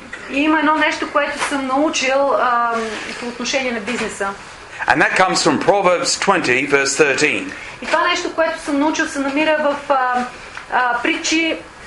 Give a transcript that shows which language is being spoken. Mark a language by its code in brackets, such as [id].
[bg] И има едно нещо, което съм научил по отношение на бизнеса. [en] And that comes from Proverbs 20:13. [bg] И това нещо, което съм научил, се намира в притчи